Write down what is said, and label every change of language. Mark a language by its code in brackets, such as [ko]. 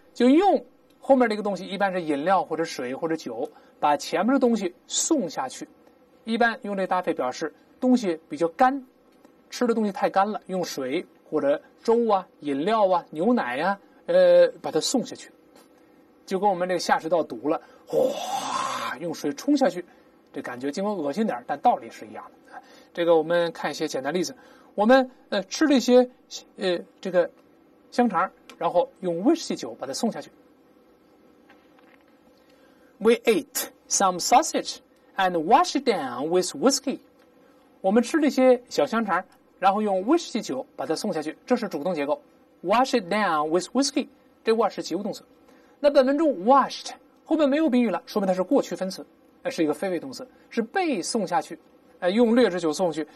[zh] 就用后面这个东西，一般是饮料或者水或者酒，把前面的东西送下去，一般用这搭配表示东西比较干，吃的东西太干了，用水或者粥啊、饮料啊、牛奶啊，把它送下去，就跟我们这个下水道堵了，哗，用水冲下去，这感觉尽管恶心点，但道理是一样的。这个我们看一些简单例子，我们吃了一些这个香肠，然后用威士忌酒把它送下去。 [en] We ate some sausage and washed down with whiskey. [zh] 我们吃了一些小香肠，然后用威士忌酒把它送下去。这是主动结构 ， [en] washed down with whiskey. [zh] 这 wash 是及物动词。那本文中 washed 后面没有宾语了，说明它是过去分词，是一个非谓动词，是被送下去，用劣质酒送去。